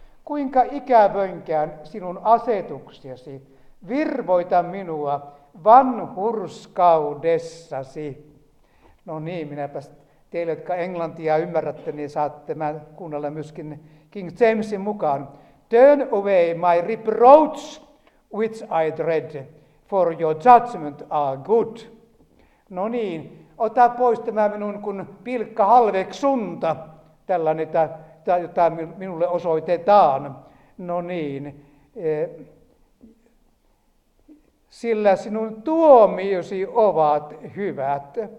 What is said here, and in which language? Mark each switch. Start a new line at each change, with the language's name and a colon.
Finnish: Kuinka ikävönkään sinun asetuksiasi, virvoita minua vanhurskaudessasi. No niin, minäpä teille, jotka englantia ymmärrätte, niin saatte mä kuunnella myöskin King Jamesin mukaan.
English: Turn away my reproach, which I dread, for your judgment are good.
Finnish: No niin, ota pois tämä minun kun pilkka halveksunta, tällainen, jota minulle osoitetaan. No niin, sillä sinun tuomiosi ovat hyvät.